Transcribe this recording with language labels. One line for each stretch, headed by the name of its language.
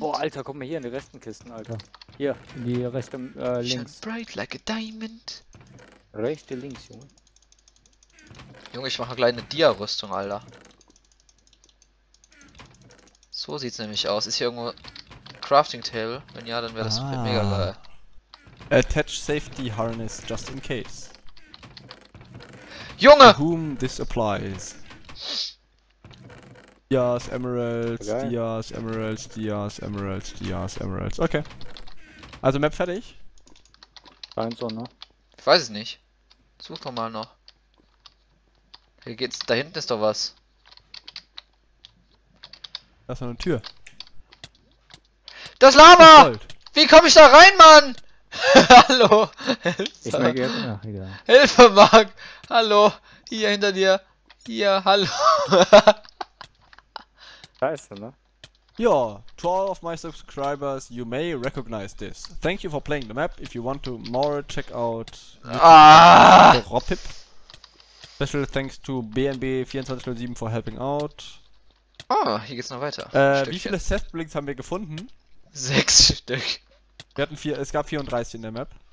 German: Boah, Alter, guck mal hier in die rechten Kisten, Alter. Hier, in die rechte, links.
English: Shine bright like a diamond.
German: Rechte, links, Junge. Junge, ich mache gleich eine Dia-Rüstung, Alter. So sieht's nämlich aus. Ist hier irgendwo Crafting Table? Wenn ja, dann wäre das mega geil.
English: Attach Safety Harness just in case.
German: Junge!
English: To whom this applies.
German: Dias, Emeralds, okay. Dias, Emeralds, Dias, Emeralds, Dias, Emeralds. Okay. Also Map fertig? Scheint so, ne? Ich weiß es nicht. Such doch mal noch. Hier geht's, da hinten ist doch was. Da ist noch eine Tür. Das Lama! Wie komm ich da rein, Mann? Hallo! Ich merke jetzt noch, egal. Hilfe, Mark! Hallo! Hier hinter dir! Hier, hallo! Scheiße, ne?
English: Ja, to all of my subscribers, you may recognize this. Thank you for playing the map. If you want to more, check out Robpip. Special thanks to BNB2407 for helping out.
German: Oh, hier geht's noch weiter. Wie viele Sethblinks haben wir gefunden? 6 Stück. Wir hatten es gab 34 in der Map.